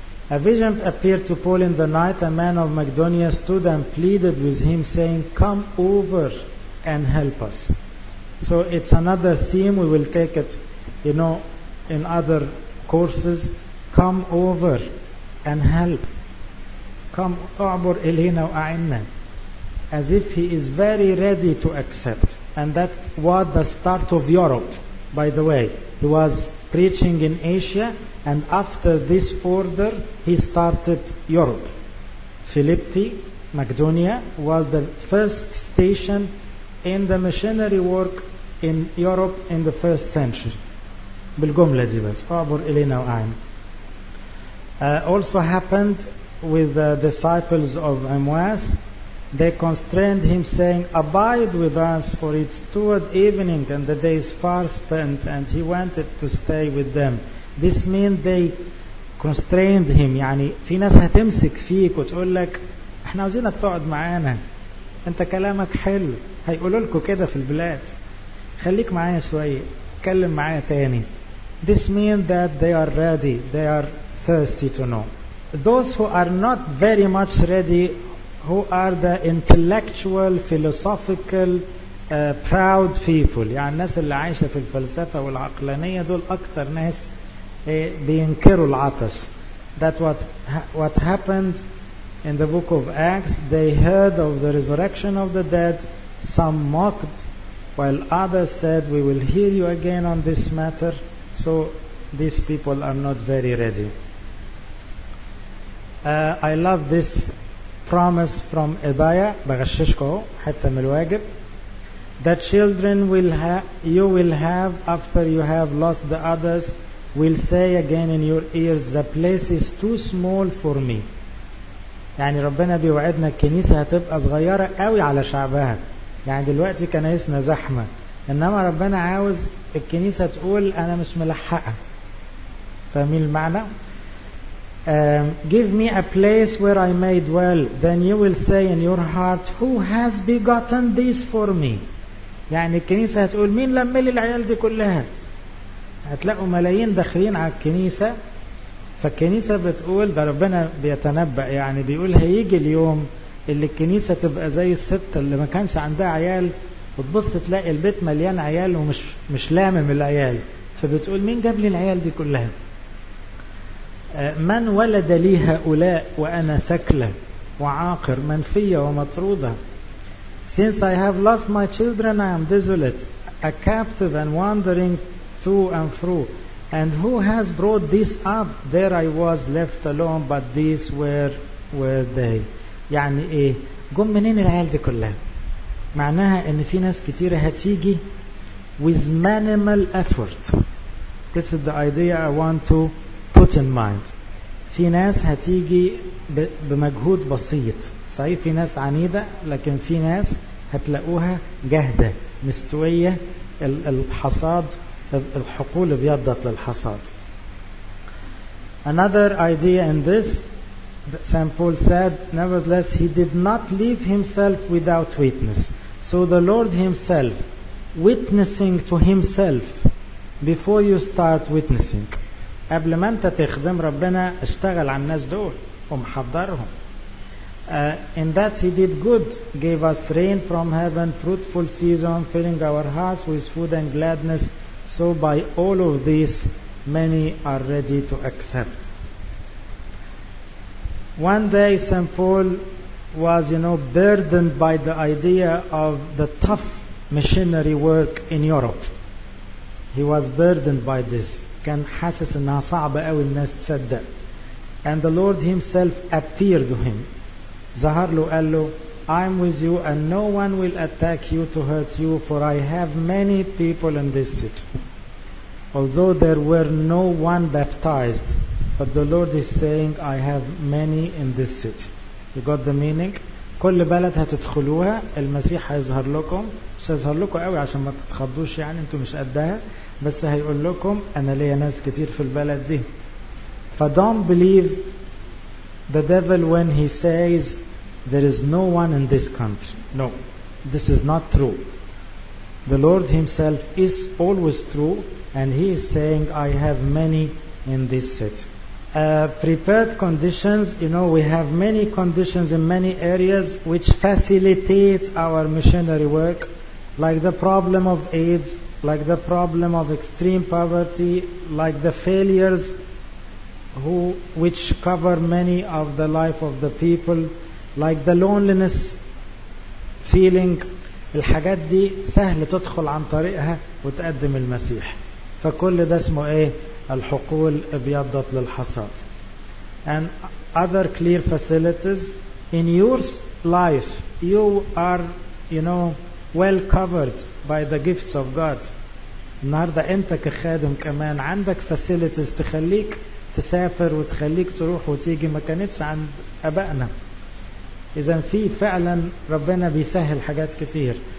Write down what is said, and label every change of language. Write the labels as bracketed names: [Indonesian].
[English] A vision appeared to Paul in the night. A man of Macedonia stood and pleaded with him, saying, "Come over and help us." So it's another theme. We will take it, you know, in other courses. Come over and help. Come, [Arabic] أعبر إلينا وأعنا. [English] As if he is very ready to accept. And that's what the start of Europe, by the way. He was preaching in Asia, and after this order, he started Europe. Philippi, Macedonia, was the first station in the missionary work in Europe in the first century. [Arabic] بالجملة دي بس. أعبر إلينا وأعنا. [English] Also happened with the disciples of Emmaus. They constrained him, saying, "Abide with us, for it's toward evening and the day is far spent," and he wanted to stay with them. This means they constrained him. [Arabic] يعني في ناس هتمسك فيك وتقول لك احنا عاوزينك تقعد معانا، انت كلامك حلو، هيقولوا لكم كده في البلاد، خليك معايا شوية، اتكلم معايا تاني. [English] This means that they are ready, they are thirsty to know. Those who are not very much ready, who are the intellectual, philosophical, proud people. [Arabic] يعني الناس اللي عايشة في الفلسفة والعقلانية دول أكتر ناس بينكروا العطش. [English] That what happened in the book of Acts, they heard of the resurrection of the dead, some mocked, while others said, "We will hear you again on this matter." So these people are not very ready. I love this promise from Isaiah, [Arabic] بغششكو حتى من الواجب. [English] The children you will have after you have lost the others will say again in your ears, "The place is too small for me." [Arabic] يعني ربنا بيوعدنا الكنيسة هتبقى صغيرة قوي على شعبها، يعني دلوقتي كنايسنا زحمة، إنما ربنا عاوز الكنيسة تقول أنا مش ملحقة. فاهمين المعنى؟ [English] "Give me a place where I may dwell, then you will say in your heart, 'Who has begotten this for me?'" [Arabic] يعني الكنيسة هتقول مين لملي العيال دي كلها؟ هتلاقوا ملايين داخلين على الكنيسة، فالكنيسة بتقول، ده ربنا بيتنبأ يعني، بيقول هيجي اليوم اللي الكنيسة تبقى زي الست اللي ما كانش عندها عيال، وتبص تلاقي البيت مليان عيال ومش لامم العيال، فبتقول مين جاب لي العيال دي كلها؟ "من ولد لي هؤلاء وأنا ثكلة وعاقر منفية ومطرودة؟ [English] Since I have lost my children, I am desolate, a captive and wandering to and fro. And who has brought this up? There I was left alone, but these were they." [Arabic] يعني إيه؟ جم منين العيال دي كلها؟ معناها إن في ناس كتيرة هتيجي [English] with minimal effort. This is the idea I want to put in mind. [Arabic] في ناس هتيجي بمجهود بسيط، صحيح في ناس عنيدة، لكن في ناس هتلاقوها جاهدة مستوية، الحصاد الحقول بيضت للحصاد. [English] Another idea in this, St. Paul said, "Nevertheless, he did not leave himself without witness." So the Lord himself witnessing to himself before you start witnessing. [Arabic] قبل ما انت تخدم ربنا اشتغل على الناس دول ومحضرهم. [English] "In that he did good, gave us rain from heaven, fruitful season, filling our hearts with food and gladness. So by all of this, many are ready to accept." One day St. Paul was, you know, burdened by the idea of the tough machinery work in Europe. He was burdened by this. [Arabic] كان حاسس انها صعبة قوي الناس تصدق. [English] And the Lord himself appeared to him. [Arabic] ظهر له قال له [English] I'm with you and no one will attack you to hurt you for I have many people in this city. Although there were no one baptized, but the Lord is saying I have many in this city. You got the meaning? [Arabic] كل بلد هتدخلوها المسيح هيظهر لكم. مش هيظهر لكم قوي عشان ما تتخضوش يعني انتم مش قدها, بس هيقول لكم انا ليا ناس كتير في البلد دي. [English] ف don't believe the devil when he says there is no one in this country. No, this is not true. The Lord himself is always true and he is saying I have many in this city. Prepared conditions, you know, we have many conditions in many areas which facilitate our missionary work, like the problem of AIDS, like the problem of extreme poverty, like the failures which cover many of the life of the people, like the loneliness feeling. [Arabic] الحاجات دي سهل تدخل عن طريقها وتقدم المسيح. فكل ده اسمه ايه؟ الحقول ابيضت للحصاد. [English] And other clear facilities in your life, you are, you know, well covered by the gifts of God. [Arabic] النهاردة انت كخادم كمان عندك facilities تخليك تسافر وتخليك تروح وتيجي ما كانتش عند أبائنا. إذا في فعلا ربنا بيسهل حاجات كتير.